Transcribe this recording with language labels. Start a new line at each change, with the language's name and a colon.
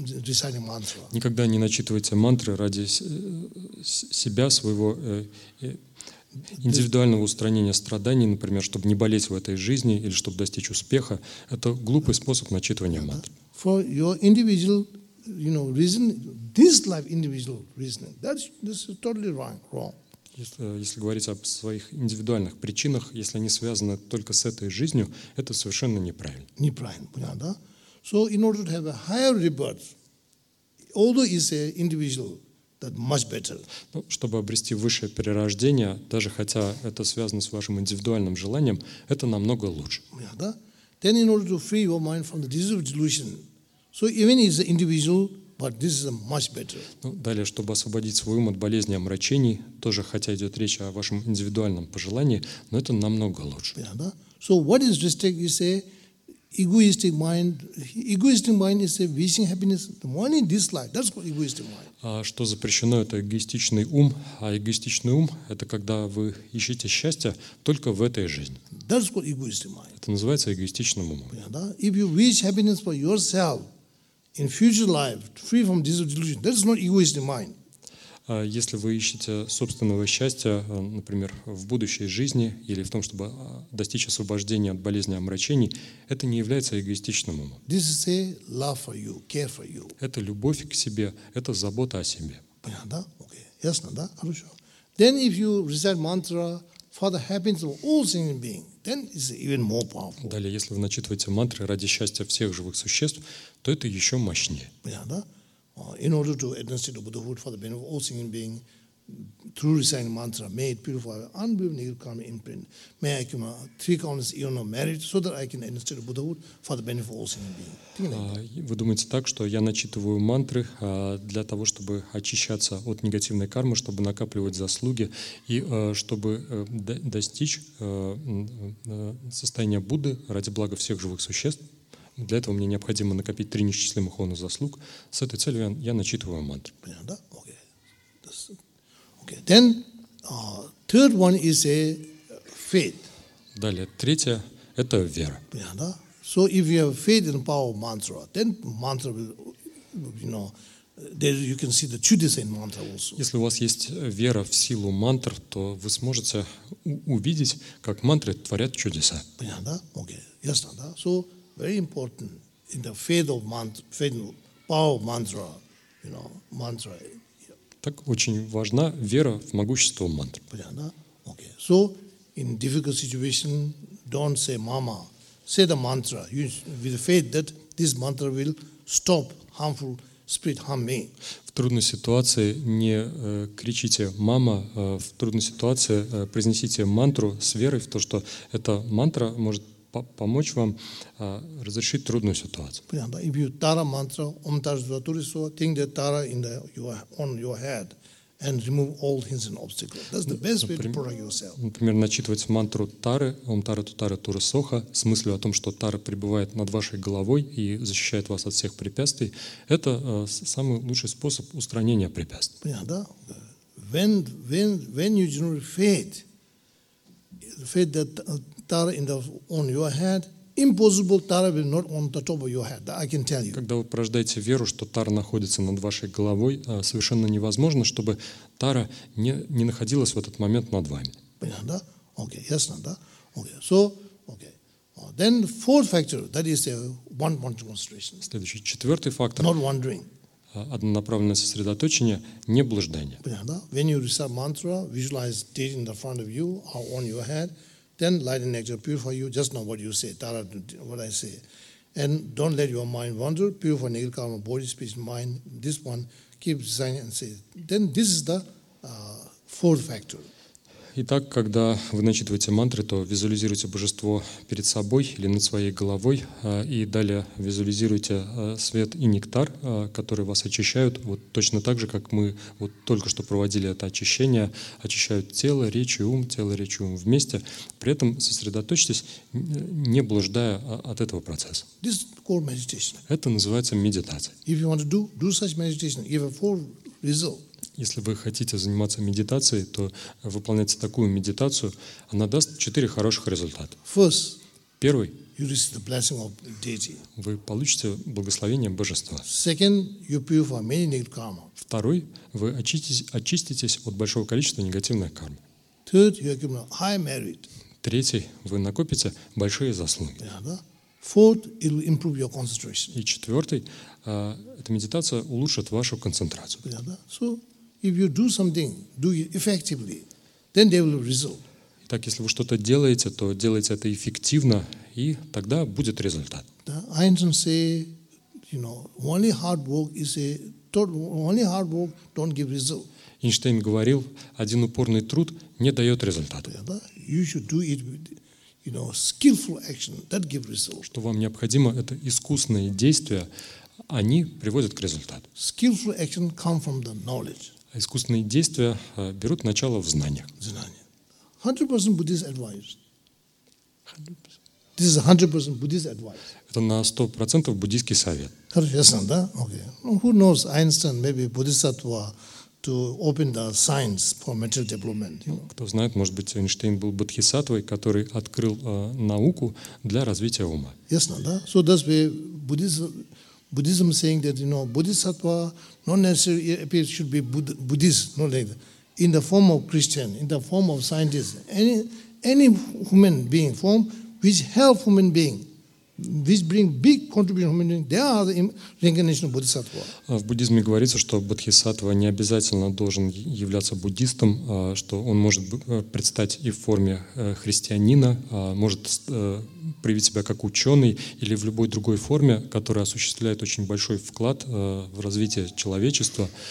Russian: Никогда не начитывайте мантры ради себя, своего индивидуального устранения страданий, например, чтобы не болеть в этой жизни или чтобы достичь успеха, это глупый способ начитывания мантр.
English: For your individual, you know, reason, this life individual reasoning, this is totally wrong.
Russian: Если говорить об своих индивидуальных причинах, если они связаны только с этой жизнью, это совершенно неправильно. Неправильно, понятно, да?
English: So in order to have a higher rebirth, although it's an individual. That much better.
Russian: Ну, чтобы обрести высшее перерождение, даже хотя это связано с вашим индивидуальным желанием, это намного лучше. Yeah, да?
English: Then in order to free your mind from the disease of delusion, so even it's individual, but this is much better.
Russian: Ну, далее, чтобы освободить свой ум от болезни омрачений, тоже хотя идет речь о вашем индивидуальном пожелании, но это намного лучше.
English: Yeah,
Russian: да?
English: So what is restrict, you say, Egoistic mind is wishing happiness the morning this life. That's called egoistic mind.
Russian: Что запрещено, это эгоистичный ум. А эгоистичный ум – это когда вы ищете счастье только в этой жизни.
English: That's called egoistic mind.
Russian: Это называется эгоистичным умом.
English: Yeah, if you wish happiness for yourself in future life, free from this delusion, that's not egoistic mind.
Russian: Если вы ищете собственного счастья, например, в будущей жизни или в том, чтобы достичь освобождения от болезни и омрачений, это не является эгоистичным умом.
English: This is a love for you, care for you.
Russian: Это любовь к себе, это забота о себе. Понятно, да? Окей. Ясно, да? Хорошо.
English: Then if you recite mantra for the happiness of all sentient beings, then it's even more powerful.
Russian: Далее, если вы начитываете мантры ради счастья всех живых существ, то это еще мощнее. Понятно, да?
English: In order to advance the Buddhahood for the benefit of all sentient beings, through reciting mantra, may it purify unbelievable negative karma imprint. May I come three countless eon of merit, so that I can advance the Buddhahood for the benefit of all sentient beings.
Russian: Вы думаете так, что я начитываю мантры для того, чтобы очищаться от негативной кармы, чтобы накапливать заслуги и чтобы достичь состояния Будды ради блага всех живых существ? Для этого мне необходимо накопить три несчислимых оны заслуг. С этой целью я начитываю мантру. Понятно, да? Окей. Окей.
English: Then, third one is a faith.
Russian: Далее, третье – это вера. Понятно, да?
English: So, if you have faith in the power of mantra, then mantra will, you know, there you can see the chudas in mantra also.
Russian: Если у вас есть вера в силу мантр, то вы сможете увидеть, как мантры творят чудеса. Понятно, да? Окей. Ясно, да?
English: So, very important in the faith of mantra, faith in power of mantra, you know, mantra.
Russian: Так очень важна вера в могущество мантры. Понятно?
English: Okay. So in difficult situation, don't say mama, say the mantra with the faith that this mantra will stop harmful spirit harm me.
Russian: В трудной ситуации не кричите мама, в трудной ситуации произнесите мантру с верой в то, что эта мантра может помочь вам разрешить трудную ситуацию. Понятно, да?
English: If you tara mantra, om tara zvaturi so, think that tara in the, on your head and remove all things and obstacles. That's the best way to protect yourself.
Russian: Например, начитывать мантру тары, om tara tutara tura soha, с мыслью о том, что тара пребывает над вашей головой и защищает вас от всех препятствий, это самый лучший способ устранения препятствий. Понятно, да?
English: When you generate faith that tara in the on your head, impossible tara will not on the top of your head. I can tell you.
Russian: Когда вы порождаете веру, что тара находится над вашей головой, совершенно невозможно, чтобы тара не находилась в этот момент над вами. Понятно, да?
English: Okay,
Russian: ясно, да?
English: Okay, so, okay. Then the fourth factor, that is a one-point concentration.
Russian: Следующий, четвертый фактор.
English: Not wandering.
Russian: Однонаправленное сосредоточение, не блуждание. Понятно, да?
English: When you recite mantra, visualize it in the front of you or on your head, then light and nectar purify you, just know what you say, tara, what I say. And don't let your mind wander, purify negative karma, body, speech, mind, this one, keep saying and say. Then this is the fourth factor.
Russian: Итак, когда вы начитываете мантры, то визуализируйте божество перед собой или над своей головой, и далее визуализируйте свет и нектар, которые вас очищают, вот точно так же, как мы вот только что проводили это очищение, очищают тело, речь и ум вместе. При этом сосредоточьтесь, не блуждая от этого процесса.
English: This is called meditation.
Russian: Это называется медитация.
English: If you want to do such meditation, you have a full result.
Russian: Если вы хотите заниматься медитацией, то выполняйте такую медитацию, она даст четыре хороших результата.
English: First,
Russian: первый,
English: you receive the blessing of deity.
Russian: Вы получите благословение божества.
English: Second, you purify many negative karma.
Russian: Второй, вы очиститесь от большого количества негативной кармы.
English: Third, you accumulate high merit.
Russian: Третий, вы накопите большие заслуги.
English: Yeah,
Russian: да?
English: Fourth, it will improve your concentration.
Russian: И четвертый, эта медитация улучшит вашу концентрацию. Yeah, да?
English: So, if you do something, do it effectively, then they will result.
Russian: Итак, если вы что-то делаете, то делайте это эффективно, и тогда будет результат.
English: The Einstein say, you know, only hard work is a total, only hard work don't give result.
Russian: Эйнштейн говорил, один упорный труд не дает результата. Yeah, да?
English: You should do it with, you know, skillful action that give result.
Russian: Что вам необходимо, это искусные действия, они приводят к результату.
English: Skillful action come from the knowledge.
Russian: Искусственные действия берут начало в знаниях. Знания.
English: 100% Buddhist advice.
Russian: 100%.
English: This is 100% Buddhist advice.
Russian: Это на 100% буддийский совет. Ясно, да?
English: Okay.
Russian: Ну,
English: who knows, Einstein maybe bodhisattva to open the science for material development. You know?
Russian: Кто знает, может быть, Эйнштейн был бодхисаттвой, который открыл науку для развития ума. Ясно, да?
English: So that's why Buddhism saying that, you know, bodhisattva not necessarily appears should be Buddhist, not like that. In the form of Christian, in the form of scientist, any human being form which help human being, which bring big contribution to human being, they are the reincarnation of bodhisattva.
Russian: В буддизме говорится, что бодхисаттва не обязательно должен являться буддистом, что он может предстать и в форме христианина, может проявить себя как ученый или в любой другой форме, которая осуществляет очень большой вклад в развитие человечества.